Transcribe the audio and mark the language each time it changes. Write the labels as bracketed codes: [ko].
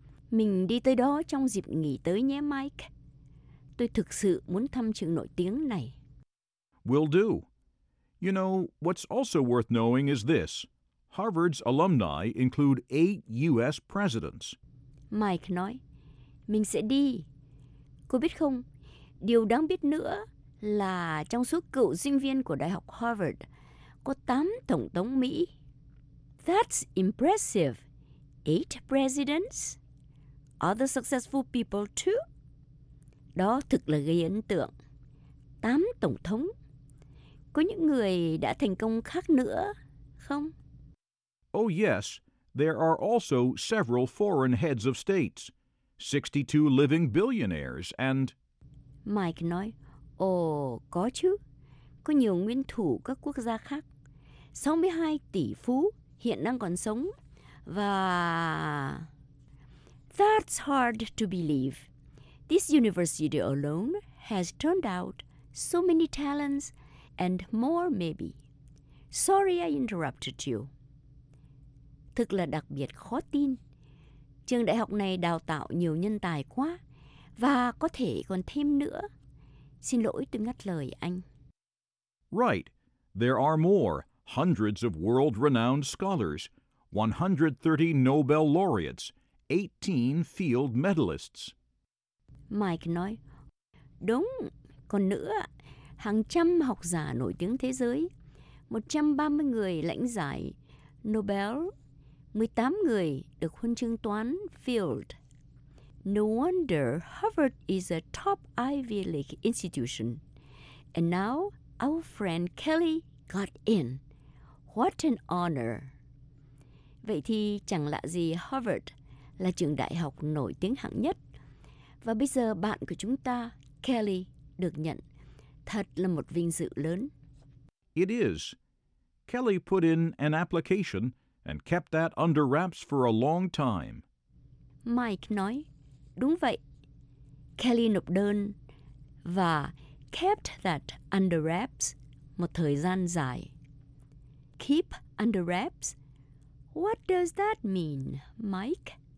[vi] Mình đi tới đó trong dịp nghỉ tới nhé, Mike. Tôi thực sự muốn thăm trường nổi tiếng này. [en] Will do. You know, what's also worth knowing is this. Harvard's alumni include 8 U.S. presidents. [vi] Mike nói, mình sẽ đi. Cô biết không, điều đáng biết nữa là trong số cựu sinh viên của Đại học Harvard, có 8 tổng thống Mỹ. [en] That's impressive. 8 presidents? Other successful people too? [vi] Đó thực là gây ấn tượng. 8 tổng thống. Có những người đã thành công khác nữa, không? [en] Oh yes, there are also several foreign heads of states. 62 living billionaires and... [vi] Mike nói, có chứ. Có nhiều nguyên thủ các quốc gia khác. 62 tỷ phú hiện đang còn sống. Và... [en] That's hard to believe. This university alone has turned out so many talents and more maybe. Sorry I interrupted you. [vi] Thực là đặc biệt khó tin. Trường đại học này đào tạo nhiều nhân tài quá và có thể còn thêm nữa. Xin lỗi tôi ngắt lời anh. [en] Right. There are more. Hundreds of world-renowned scholars. 130 Nobel laureates. 18 field medalists. [vi] Mike nói, đúng, còn nữa, hàng trăm học giả nổi tiếng thế giới, 130 người lãnh giải Nobel, 18 người được huân chương toán Field. [en] No wonder Harvard is a top Ivy League institution. And now our friend Kelly got in. What an honor. [vi] Vậy thì chẳng lạ gì Harvard là trường đại học nổi tiếng hạng nhất. Và bây giờ bạn của chúng ta, Kelly, được nhận. Thật là một vinh dự lớn. [en] It is. Kelly put in an application and kept that under wraps for a long time. [vi] Mike nói, đúng vậy. Kelly nộp đơn và [en] kept that under wraps [vi] một thời gian dài. [en] Keep under wraps? What does that mean, Mike?